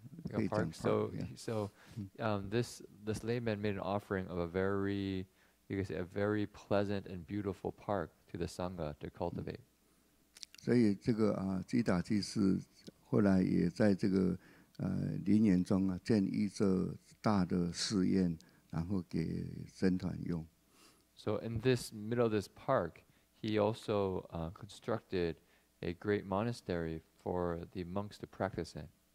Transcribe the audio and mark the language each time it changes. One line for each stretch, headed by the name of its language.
English: This layman made an offering of a very, you could say, a very pleasant and beautiful park to the Sangha to cultivate.
Chinese: 所以这个基达基士后来也在这个林园中建一座大的寺院，然后给僧团用。
English: So in this middle of this park, he also constructed a great monastery for the monks to practice in.